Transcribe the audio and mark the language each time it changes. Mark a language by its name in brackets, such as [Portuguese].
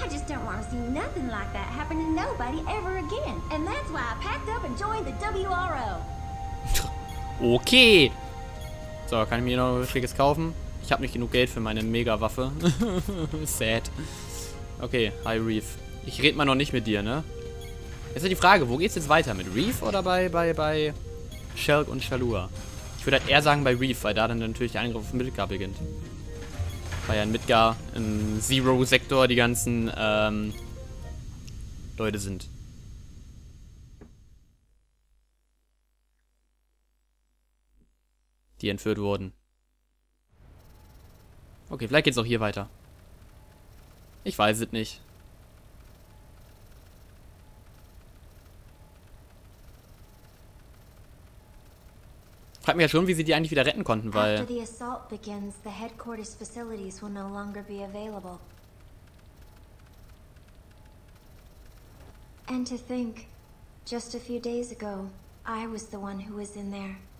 [English] I just don't want to see nothing like that happen to nobody ever again. And that's why I packed up and joined the WRO. Okay. [German] So, kann ich mir noch was Schickes kaufen? Ich habe nicht genug Geld für meine Mega-Waffe. Sad. Okay, hi Reef. Ich rede mal noch nicht mit dir, ne? Jetzt ist die Frage, wo geht's jetzt weiter? Mit Reef oder bei Shelk und Chalua? Ich würde halt eher sagen bei Reef, weil da dann natürlich der Angriff auf Midgar beginnt. Weil ja in Midgar im Zero-Sektor die ganzen Leute sind. Die entführt wurden. Okay, vielleicht geht's auch hier weiter. Ich weiß es nicht. Frag mich ja schon, wie sie die eigentlich wieder retten konnten, weil... [English] After the assault begins, the headquarters facilities will no longer be available. And to think, just a few days ago, I was the one who was in there.